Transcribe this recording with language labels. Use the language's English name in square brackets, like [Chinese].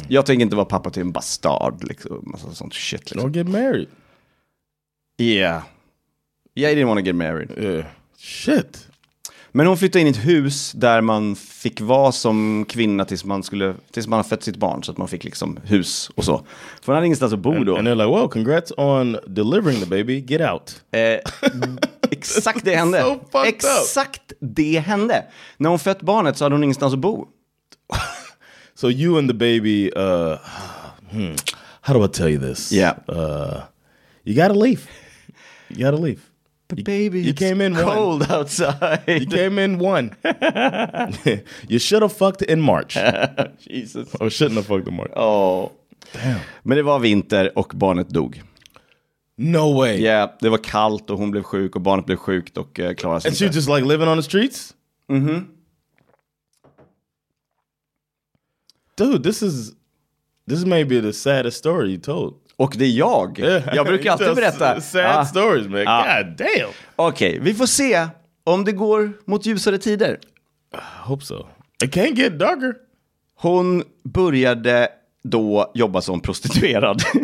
[Swedish] Jag tänker inte vara pappa till en bastard liksom, alltså sånt shit liksom. [English] Don't get married. Yeah, I didn't want to get married. Shit. [Swedish] Men hon flyttade in i ett hus där man fick vara som kvinna tills man har fött sitt barn, så att man fick liksom hus och så. För hon hade ingenstans att bo då. [English] And they're like, well, congrats on delivering the baby. Get out. [Swedish] Exakt det hände. [English] So fucked up. [Swedish] Exakt det hände. När hon fött barnet så hade hon ingenstans att bo. [English] So you and the baby, how do I tell you this? Yeah. You gotta leave. You gotta leave. But baby, you came in cold one. Outside. You came in one. You should have fucked in March. Jesus. Or shouldn't have fucked in March. Oh. Damn. [Swedish] Men det var vinter och barnet dog. [English] No way. [Swedish] Ja, yeah, det var kallt och hon blev sjuk och barnet blev sjukt och klarade sig. [English] And she just like living on the streets? Mm-hmm. Dude, this may be the saddest story you told. [Swedish] Och det är jag. Jag brukar alltid berätta. [English] Sad stories, man. Ah. God damn. [Swedish] Okej, vi får se om det går mot ljusare tider. [English] I hope so. It can't get darker. [Swedish] Hon började då jobba som prostituerad.